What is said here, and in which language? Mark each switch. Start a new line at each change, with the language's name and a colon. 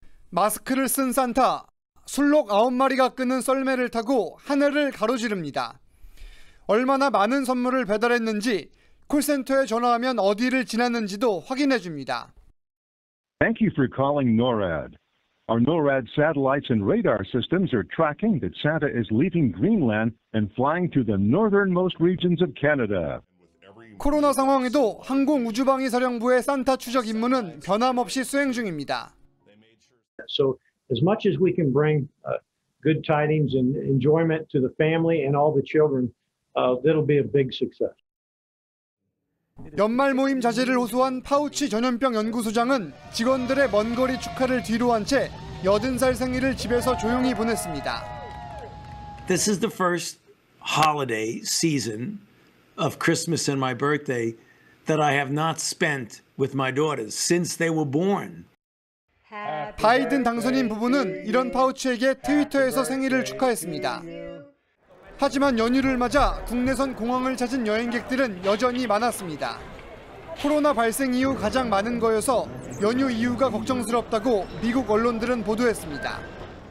Korean: 마스크를 쓴 산타, 순록 9마리가 끄는 썰매를 타고 하늘을 가로지릅니다. 얼마나 많은 선물을 배달했는지 콜센터에 전화하면 어디를 지났는지도 확인해 줍니다.
English: Thank you for calling NORAD. Our NORAD satellites and radar systems are tracking that Santa is leaving Greenland and flying to the northernmost regions of Canada.
Korean: 코로나 상황에도 항공 우주방위사령부의 산타 추적 임무는 변함없이 수행 중입니다.
English: So as much as we can bring good tidings and enjoyment to the family and all the children. That'll be a big success.
Korean: 연말 모임 자제를 호소한 파우치 전염병 연구소장은 직원들의 먼 거리 축하를 뒤로한 채 80살 생일을 집에서 조용히 보냈습니다.
English: This is the first holiday season of Christmas and my birthday that I have not spent with my daughters since they were born.
Korean: 바이든 당선인 부부는 이런 파우치에게 트위터에서 생일을 축하했습니다. 하지만 연휴를 맞아 국내선 공항을 찾은 여행객들은 여전히 많았습니다. 코로나 발생 이후 가장 많은 거여서 연휴 이후가 걱정스럽다고 미국 언론들은 보도했습니다.